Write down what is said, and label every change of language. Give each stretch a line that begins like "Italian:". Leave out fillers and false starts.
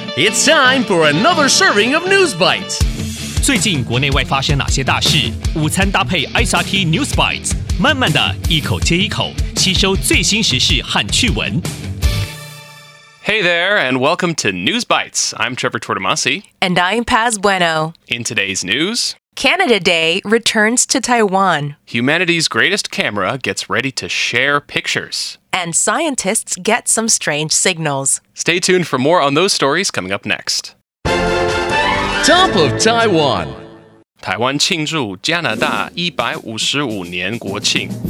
English: It's time for another serving of News Bites.
Chinese: 最近国内外发生哪些大事？午餐搭配 SRT News Bites， 慢慢的一口接一口，吸收最新时事和趣闻。
English: Hey there, and welcome to News Bites. I'm Trevor Tortomasi. And I'm Paz Bueno. In today's news, Canada Day returns to Taiwan. Humanity's greatest camera gets ready to share pictures. And scientists get some strange signals. Stay tuned for more on those stories coming up next. Top of Taiwan.
Chinese: 台灣慶祝加拿大一百五十五年國慶。